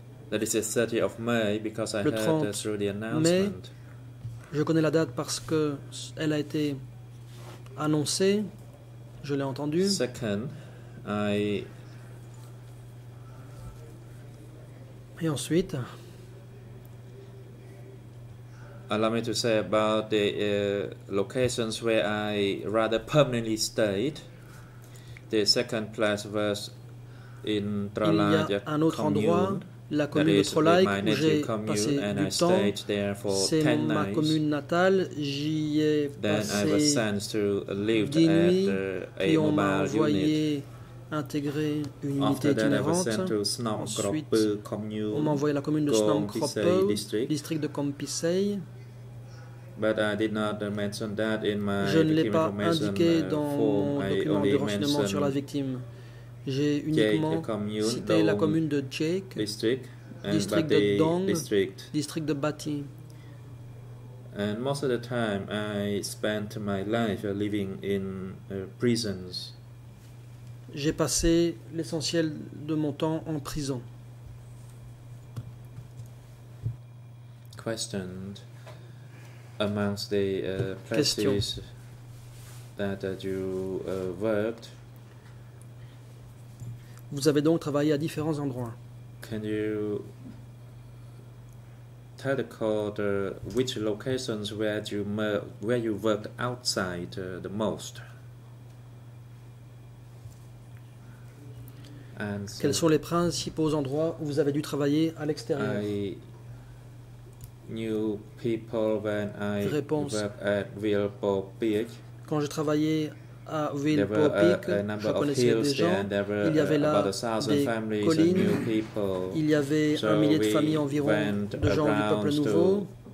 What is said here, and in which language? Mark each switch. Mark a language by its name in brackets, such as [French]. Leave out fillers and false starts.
[English] That is the 30th of May because I [French] le [English] heard through the announcement. [French] Mai, je connais la date parce que elle a été annoncée, je l'ai entendue. [English] Second, I [French] et ensuite, [English] allow me to say about the locations where I rather permanently stayed. The second place was in Tralaj commune. [French] Il y a un autre endroit. La commune de Trolaik, où j'ai passé du temps, c'est ma commune natale. J'y ai passé 10 nuits, puis on m'a envoyé intégrer une unité itinérante. Ensuite, on m'a envoyé à la commune de Snom Krop, district de Kompisei. [English] But I did not mention that in my [French] je ne l'ai pas indiqué dans mon document de renseignement sur la victime. J'ai uniquement cité la commune de Jake, district de Dong, district de Bati. [English] And most of the time, I spent my life living in prisons. [French] J'ai passé l'essentiel de mon temps en prison. [English] Questioned amongst the places that you worked. [French] Vous avez donc travaillé à différents endroits. [English] Can you tell the court which locations where you worked outside the most? And so, [French] quels sont les principaux endroits où vous avez dû travailler à l'extérieur? [English] I knew people when I [French] réponse. [English] Worked at Vilpopik. [French] Quand je travaillais à Vilpopik, je connaissais des gens, il y avait là des collines, il y avait un millier de familles environ, de gens du peuple nouveau,